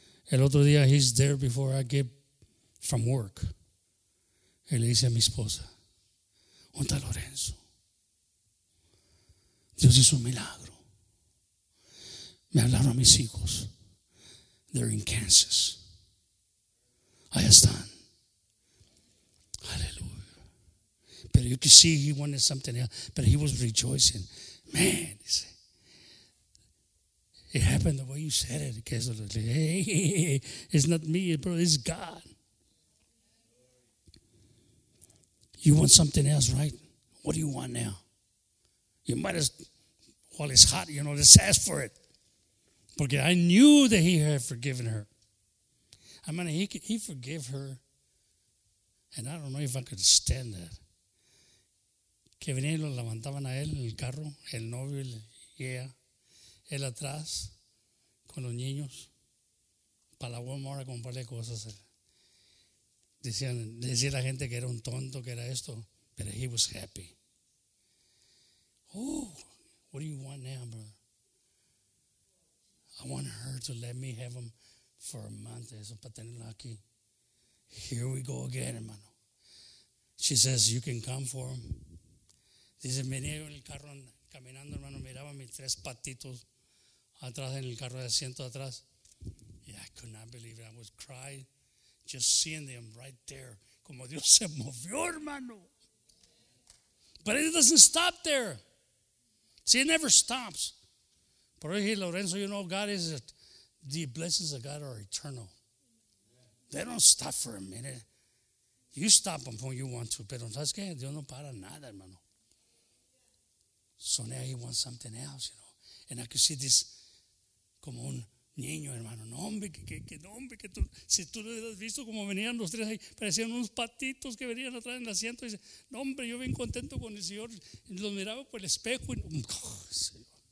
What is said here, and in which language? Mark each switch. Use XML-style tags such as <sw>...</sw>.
<es>El otro día,</es> <en>he's there before I get from work.</en> <es>Y le dice a mi esposa, ¿dónde está Lorenzo? Dios hizo un milagro. Me hablaron a mis hijos.</es> <en>They're in Kansas.</en> <es>Allá están. Aleluya.</es> <en>Pero you can see he wanted something else. But he was rejoicing. Man, he said, it happened the way you said it. Hey, it's not me, bro. It's God. You want something else, right? What do you want now? You might as well, it's hot, you know, just ask for it. Because I knew that he had forgiven her. I mean, he forgave her. And I don't know if I could stand that.</en> <es>Que venía y lo levantaban a él en el carro, el novio, él atrás. Con los niños, para la Walmart a comprarle cosas. Decía la gente que era un tonto, que era esto, pero</es> <en>he was happy. Oh, what do you want now, brother? I want her to let me have them for a month,</en> <es>eso, para tenerla aquí.</es> <en>Here we go again, hermano. She says, you can come for them.</en> <es>Dice, venía yo en el carro caminando, hermano, miraba mis tres patitos. Atrás en el carro de asiento atrás.</es> <en>Yeah, I could not believe it. I was crying just seeing them right there.</en> <es>Como Dios se movió, hermano.</es> <en>But it doesn't stop there. See, it never stops.</en> <es>Por eso,</es> <en>Lorenzo, you know, God is it. The blessings of God are eternal. They don't stop for a minute. You stop them when you want to.</en> <es>Pero sabes que Dios no para nada, hermano.</es> <en>So now he wants something else, you know. And I could see this.</en> <es>Como un niño, hermano. No, hombre, que tú, si tú lo has visto como venían los tres ahí, parecían unos patitos que venían atrás en el asiento. Y dice, no, hombre, yo bien contento con el Señor. Y los miraba por el espejo. Y, oh, Señor.</es>